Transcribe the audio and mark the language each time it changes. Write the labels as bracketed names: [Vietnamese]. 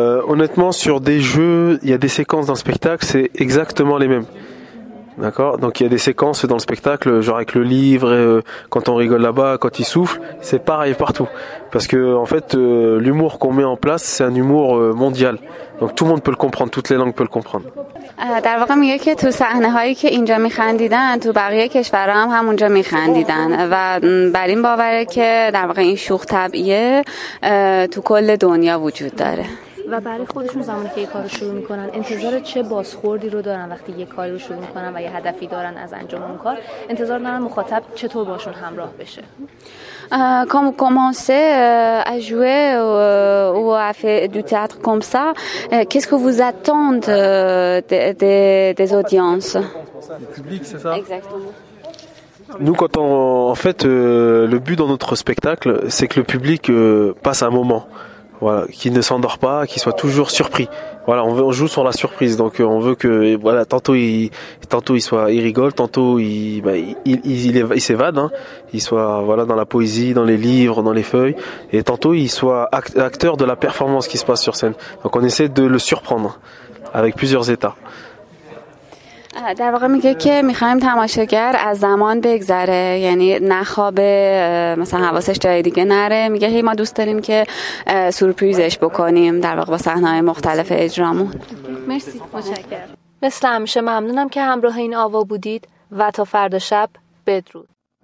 [French] Honnêtement, sur des jeux, il y a des séquences dans le spectacle, c'est exactement les mêmes. D'accord? Donc il y a des séquences dans le spectacle, genre avec le livre, quand on rigole là-bas, quand il souffle, c'est pareil partout. Parce que en fait, l'humour qu'on met en place, c'est un humour mondial. Donc tout le monde peut le comprendre, toutes les langues peuvent le comprendre. [Persian] در واقع میگه که تو صحنه‌هایی که اینجا می‌خندیدن تو بقیه کشورها هم همونجا می‌خندیدن و بر این باوره که در واقع این شوخ طبعیه تو کل دنیا وجود داره. و برای خودشون زمانی که یه کار رو شروع میکنن انتظار چه بازخوردی رو دارن؟ وقتی یه کار رو شروع میکنن و یه هدفی دارن از انجام اون کار، انتظار دارن مخاطب چطور باشون همراه بشه؟ [French] Comme vous commencez à jouer ou à faire du théâtre comme ça, qu'est-ce que vous attendez des audiences? Du public, c'est ça? Exactement. Nous, quand on, en fait, le but dans notre spectacle, c'est que le public passe un moment, voilà, qu'il ne s'endort pas, qu'il soit toujours surpris. Voilà, on joue sur la surprise, donc on veut que voilà, tantôt il rigole, tantôt il s'évade, hein, il soit voilà dans la poésie, dans les livres, dans les feuilles, et tantôt il soit acteur de la performance qui se passe sur scène. Donc on essaie de le surprendre avec plusieurs états. [Persian] در واقع میگه که میخوایم تماشاگر از زمان بگذره، یعنی نخوابه، مثلا حواسش جای دیگه نره. میگه هی ما دوست داریم که سورپریزش بکنیم در واقع با صحنه‌های مختلف اجرامون. مرسی، متشکرم. مثل همیشه ممنونم که همراه این آوا بودید و تا فردا شب بدرود.